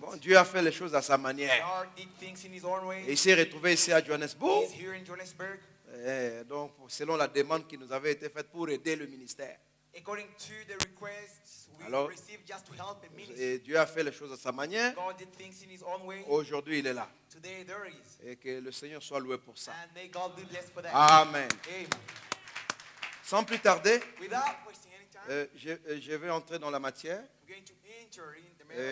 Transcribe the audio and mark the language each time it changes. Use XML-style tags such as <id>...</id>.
<fr>Bon, Dieu a fait les choses à sa manière. Et il s'est retrouvé ici à Johannesburg.</fr> <en>He's here in Johannesburg.</en> <fr>Donc selon la demande qui nous avait été faite pour aider le ministère.</fr> <en>According to the requests we</en> <fr>alors,</fr> <en>received just to help the ministry.</en> <fr>Et Dieu a fait les choses à sa manière.</fr> <en>God did things in his own way.</en> <fr>Aujourd'hui, il est là.</fr> <en>Today, there is.</en> <fr>Et que le Seigneur soit loué pour ça.</fr> <en>And may God be blessed for that.</en> <fr>Amen.</fr> <en>Amen.</en> <fr>Sans plus tarder,</fr> <en>without wasting any time,</en> <fr>je vais entrer dans la matière.</fr> <en>I'm going to enter in the</en>